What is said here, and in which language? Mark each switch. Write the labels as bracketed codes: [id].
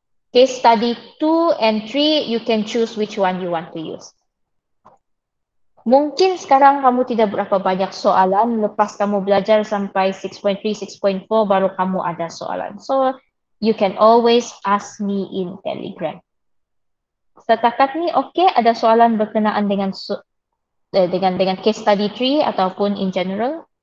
[en] Case study 2 and 3, you can choose which one you want to use. [ms] Mungkin sekarang kamu tidak berapa banyak soalan lepas kamu belajar sampai 6.3, 6.4 baru kamu ada soalan. [en] So, you can always ask me in Telegram. [ms] Setakat ni okay, ada soalan berkenaan dengan dengan case study 3 ataupun [en] in general?